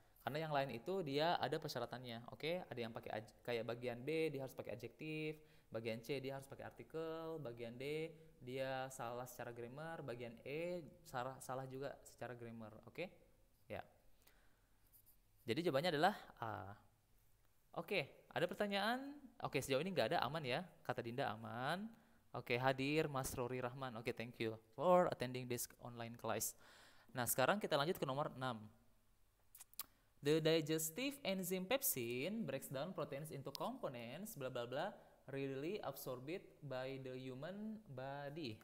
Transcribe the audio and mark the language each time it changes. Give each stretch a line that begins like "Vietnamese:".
Indonesian: Karena yang lain itu dia ada persyaratannya, oke? Okay? Ada yang pakai kayak bagian B dia harus pakai adjektif, bagian C dia harus pakai artikel, bagian D dia salah secara grammar, bagian E salah juga secara grammar, oke? Okay? Ya. Jadi jawabannya adalah A. Oke, okay, ada pertanyaan? Oke, okay, sejauh ini nggak ada, aman ya? Kata Dinda aman. Oke, okay, hadir Mas Rory Rahman.
English: Oke, okay, thank you for attending this online class.
Indonesian: Nah, sekarang kita lanjut ke nomor 6.
English: The digestive enzyme pepsin breaks down proteins into components bla bla bla readily absorbed by the human body.